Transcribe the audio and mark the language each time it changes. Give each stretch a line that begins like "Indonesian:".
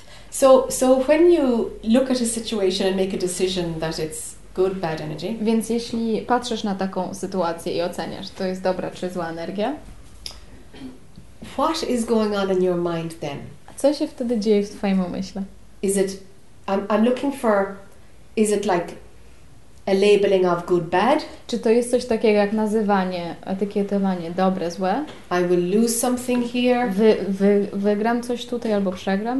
English: So when you look at a situation and make a decision that it's good, bad energy.
Polish: Więc jeśli patrzysz na taką sytuację i oceniasz, to jest dobra czy zła energia.
English: What is going on in your mind then?
Polish: Co się wtedy dzieje w twoim umyśle?
English: Is it I'm looking for, is it like a labeling of good, bad?
Polish: Czy to jest coś takiego jak nazywanie, etykietowanie dobre, złe?
English: I will lose something here.
Polish: Wygram coś tutaj albo przegram.